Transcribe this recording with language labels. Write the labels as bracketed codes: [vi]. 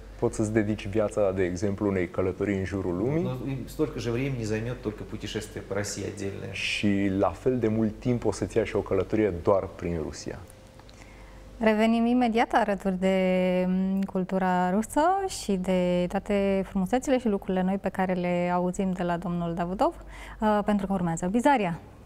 [ro] Poți să-ți dedici viața, de exemplu, unei călătorii în jurul lumii. [ru] Столько же времени займет только путешествие по России отдельное. [ro] Și la fel de mult timp o să-ți ia și o călătorie doar prin Rusia. Revenim imediat alături de cultura rusă și de toate frumusețile și lucrurile noi pe care le auzim de la domnul Davudov, pentru că urmează Bizaria.